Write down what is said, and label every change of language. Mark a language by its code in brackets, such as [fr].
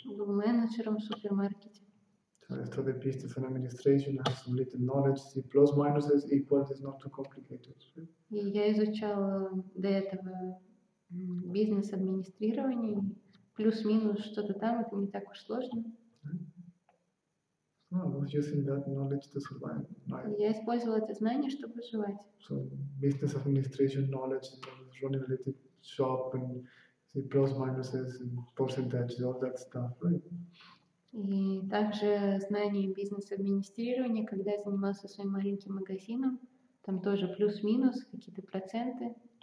[ru] Был менеджером в супермаркете. [en] So I studied business and administration. I have some little knowledge. C plus minus is equal. It's not too complicated. [ru] И я изучала до этого бизнес администрирование. Плюс минус что-то там. Это не так уж сложно. [en] So I was using that knowledge to survive. [ru] Я использовала это знание, чтобы выживать. [en] So business administration knowledge. I was running a little shop and the pros, minuses, percentages, all that stuff, right? [ru] И также знание бизнес-администрирования, когда я занимался своим маленьким магазином, там тоже плюс-минус, какие-то проценты.